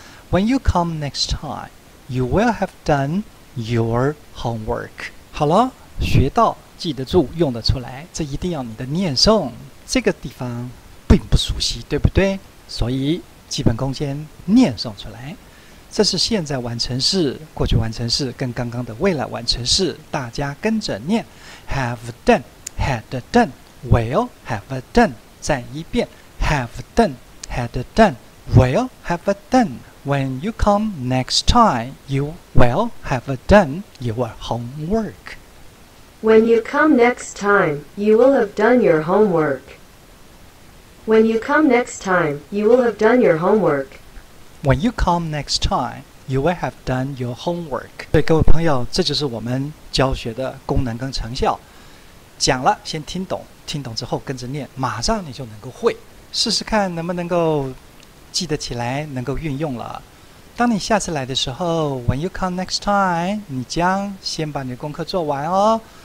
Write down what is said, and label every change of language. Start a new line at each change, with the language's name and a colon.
English: When you come next time you will have done your homework。
Chinese: 好了，学到记得住用得出来，这一定要你的念诵。这个地方并不熟悉，对不对？所以基本功先念诵出来。这是现在完成式、过去完成式跟刚刚的未来完成式，大家跟着念。
English: have done, had doneWill have done，
Chinese: 再一遍
English: ，have done， had done， will have done。 When you come next time， you will have done your homework。 When you come next time， you will have done your homework。 When you come next time， you will have done your homework。 When you come next time， you will have done your homework。
Chinese: 对各位朋友，这就是我们教学的功能跟成效。讲了，先听懂。听懂之后跟着念，马上你就能够会，试试看能不能够记得起来，能够运用了。当你下次来的时候 ，
English: When you come next time，
Chinese: 你将先把你的功课做完哦。